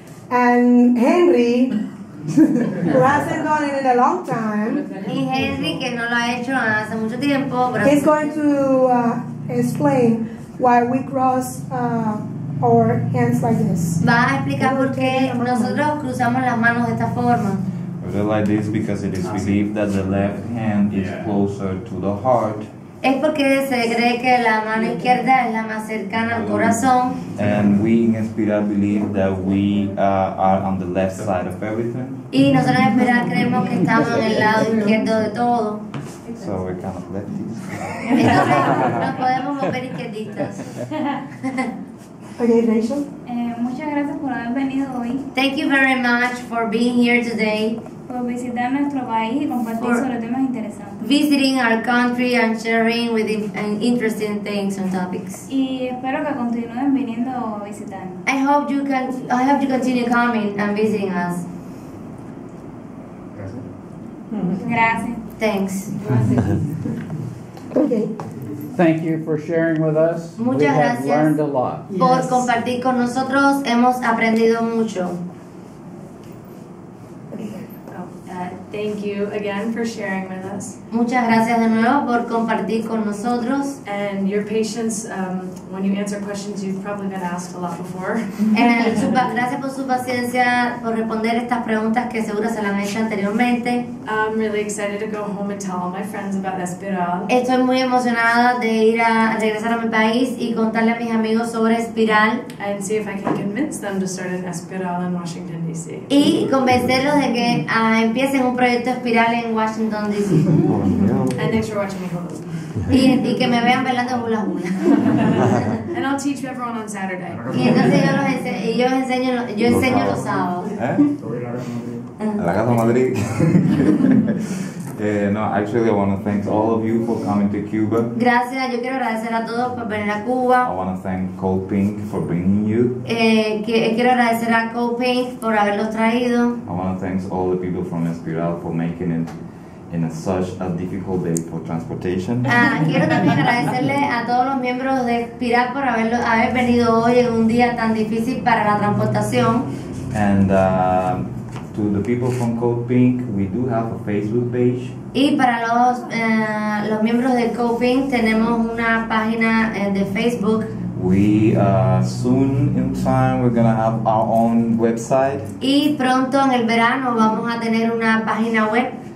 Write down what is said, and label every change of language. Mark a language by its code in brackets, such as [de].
[en] And Henry, who hasn't gone in a long time, [es] y Henry, que no lo ha hecho hace mucho tiempo, [en] he's going to explain why we cross our hands like this. [es] Va a explicar por qué nosotros cruzamos las manos de esta forma. [en] Like this because it is believed that the left hand is closer to the heart. [es] Es porque se cree que la mano izquierda es la más cercana al corazón. [en] And we in Espiral believe that we are on the left side of everything. [es] Y nosotros en Espiral creemos que estamos en el lado izquierdo de todo. [en] So we cannot let this. [es] Entonces no podemos mover izquierditos. [en] Okay, Rachel. [es] Muchas gracias por haber venido hoy. [en] Thank you very much for being here today. [es] Por visitar nuestro país y compartir sobre temas interesantes. [en] Visiting our country and sharing with interesting things and topics. [es] Y espero que continúen viniendo a visitarnos. [en] I hope you continue coming and visiting us. [es] Gracias. [en] Thanks. Okay. Thank you for sharing with us. [es] Muchas [en] we have [es] gracias [en] learned a lot. [es] Por yes compartir con nosotros. Hemos aprendido mucho. [en] Thank you again for sharing with us. [es] Muchas gracias de nuevo por compartir con nosotros. [en] And your patience when you answer questions you've probably been asked a lot before. [es] Gracias por su paciencia por responder estas preguntas que seguro se las han hecho anteriormente. [en] I'm really excited to go home and tell all my friends about Espiral. [es] Estoy muy emocionada de ir a regresar a mi país y contarle a mis amigos sobre Espiral. [en] And see if I can convince them to start an Espiral in Washington D.C. [es] Y convencerlos de que empiecen un proyecto Espiral en Washington D.C. [en] And thanks for watching me [es] hula. Y que me vean bailando hula hula. [en] And I'll teach everyone on Saturday. [es] Y entonces yo enseño los sábados. ¿Eh? La casa Madrid. [en] No, actually I want to thank all of you for coming to Cuba. [es] Gracias, yo quiero agradecer a todos por venir a Cuba. [en] I want to thank Cold Pink for bringing you. [es] Quiero agradecer a Cold Pink por haberlos traído. [en] I want to thank all the people from Espiral for making it in such a difficult day for transportation. [es] Quiero también agradecerle a todos los miembros de Espiral por haber venido hoy en un día tan difícil para la transportación. [en] And to the people from Code Pink, we do have a Facebook page. [es] Y para los miembros de Code Pink, tenemos una página de Facebook. [en] We soon in time we're gonna have our own website. [es] Y pronto en el verano vamos a tener una página web.